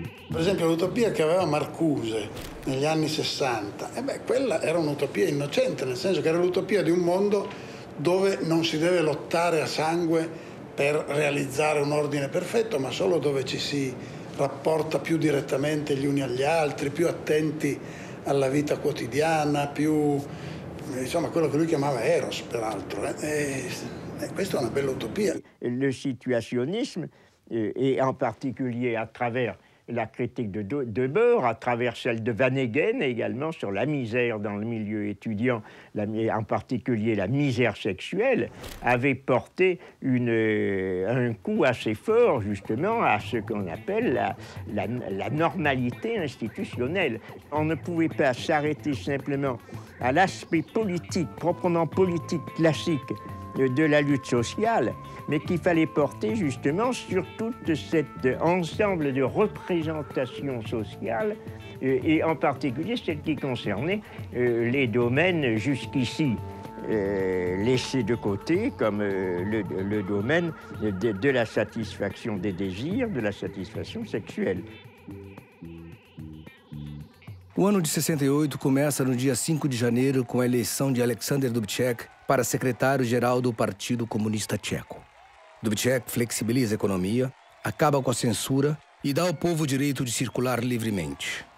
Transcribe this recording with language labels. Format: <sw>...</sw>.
<it>Per esempio l'utopia che aveva Marcuse negli anni 60, e beh, quella era un'utopia innocente, nel senso che era l'utopia di un mondo dove non si deve lottare a sangue per realizzare un ordine perfetto, ma solo dove ci si rapporta più direttamente gli uni agli altri, più attenti alla vita quotidiana, più, insomma, quello che lui chiamava Eros, peraltro. E questa è una bella utopia. Il situazionismo, e in particolare attraverso la</it> <fr>critique de Deboer, à travers celle de Van Eggen également, sur la misère dans le milieu étudiant, en particulier la misère sexuelle, avait porté un coup assez fort, justement, à ce qu'on appelle la normalité institutionnelle. On ne pouvait pas s'arrêter simplement à l'aspect politique, proprement politique classique, de la lutte sociale, mais qu'il fallait porter justement sur tout cet ensemble de représentations sociales, et en particulier celles qui concernaient les domaines jusqu'ici laissés de côté, comme le domaine de la satisfaction des désirs, de la satisfaction sexuelle.</fr> <pt>O ano de 68 começa no dia 5 de janeiro com a eleição de Alexander Dubček para secretário-geral do Partido Comunista Tcheco. Dubček flexibiliza a economia, acaba com a censura e dá ao povo o direito de circular livremente.</pt>